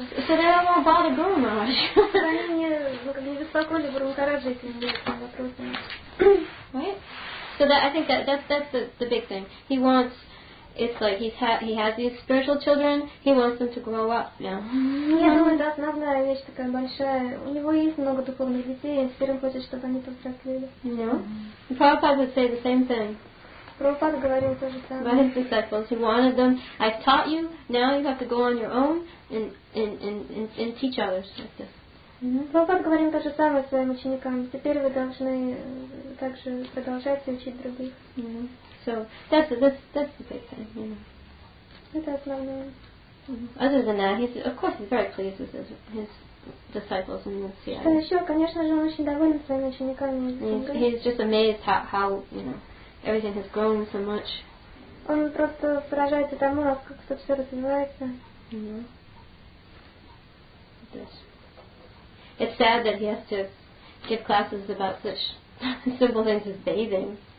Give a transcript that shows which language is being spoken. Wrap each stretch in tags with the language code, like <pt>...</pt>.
<en>So they don't want to bother Guru Maharaj.</en> <ru>Они не беспокоили Гуру Махараджа этими вопросами.</ru> <en>Right? So that, I think that's the big thing. He wants, it's like he has these spiritual children, he wants them to grow up now.</en> <ru>Я думаю, это основная вещь такая большая. У него есть много духовных детей, и теперь он хочет, чтобы они повзрослели.</ru> <en>Yeah. Prabhupada would say the same thing.</en> <ru>Прабхупада говорил то же самое.</ru> <en>About his disciples. He wanted them, I've taught you, now you have to go on your own and teach others like this.</en> <ru>Прабхупада говорил то же самое своим ученикам. Теперь вы должны также продолжать учить других.</ru> <en>So that's the big thing, you know.</en> <ru>Это основное.</ru> <en>Other than that, he's very pleased with his disciples in this year.</en> <ru>Что еще? Конечно же, он очень доволен своими учениками.</ru> <en>He's just amazed how, you know, everything has grown so much.</en> <ru>Он просто поражается тому, как это все развивается.</ru> <en>It's sad that he has to give classes about such simple things as bathing.</en>